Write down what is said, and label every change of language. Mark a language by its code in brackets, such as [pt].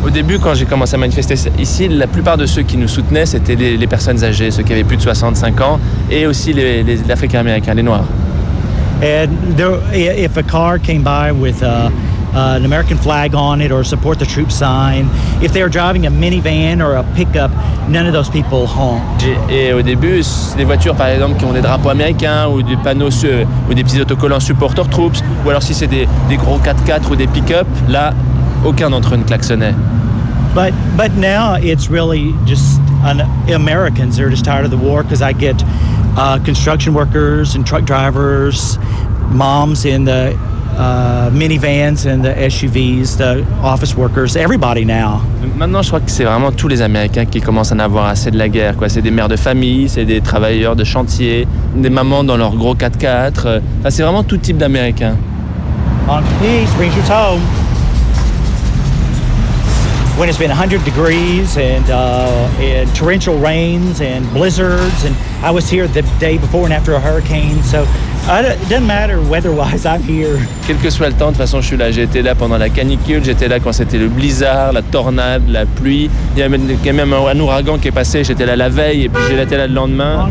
[fr] Au début, quand j'ai commencé à manifester ici, la plupart de ceux qui nous soutenaient, c'était les personnes âgées, ceux qui avaient plus de 65 ans, et aussi les Africains américains, les noirs. [en] And there, if a car came by with an American flag on it or a support the troops sign, if they were driving a minivan or a pickup, none of those people honked. [fr] Et au début, les voitures, par exemple, qui ont des drapeaux américains ou des panneaux ou des petits autocollants [en] support our troops, [fr] ou alors si c'est des gros 4x4 ou des pick-up, là, aucun d'entre eux ne klaxonnait. [en] But now it's really just Americans are just tired of the war because I get construction workers and truck drivers, moms in the minivans and the SUVs, the office workers, everybody now. [fr] Maintenant, je crois que c'est vraiment tous les Américains qui commencent à en avoir assez de la guerre. Quoi. C'est des mères de famille, c'est des travailleurs de chantier, des mamans dans leurs gros 4x4. Enfin, c'est vraiment tout type d'Américains. [en] On peace, bring your home. When it's been 100 degrees and torrential rains and blizzards, and I was here the day before and after a hurricane, so it doesn't matter weather-wise, I'm here. [fr] Quel que soit le temps, de toute façon, je suis là. J'ai été là pendant la canicule, j'étais là quand c'était le blizzard, la tornade, la pluie. Il y a même un ouragan qui est passé, j'étais là la veille et puis j'étais là le lendemain.